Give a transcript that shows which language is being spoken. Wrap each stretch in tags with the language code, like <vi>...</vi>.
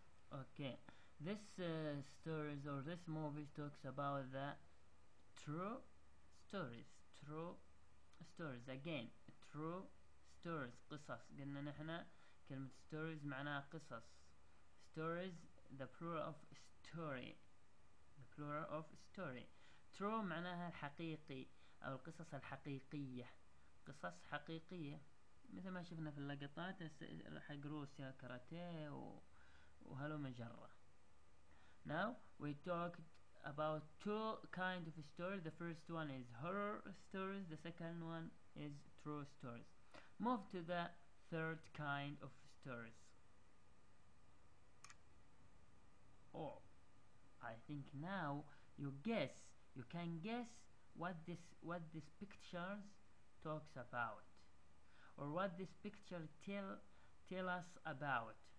<en>Okay, this stories or this movie talks about the true stories. True stories again, true stories, قصص.</en> <ar>قلنا نحنا كلمة stories معناها قصص.</ar> <en>Stories, the plural of story, the plural of story.</en> <ar>True معناها الحقيقي أو القصص الحقيقية, قصص حقيقية مثل ما شفنا في اللقطات حق روسيا كاراتيه وهلو مجرة.</ar> <en>Now we talked about two kind of stories. The first one is horror stories. The second one is true stories. Move to the third kind of stories. Oh, I think now you can guess what this pictures talks about, or what this picture tell us about.</en>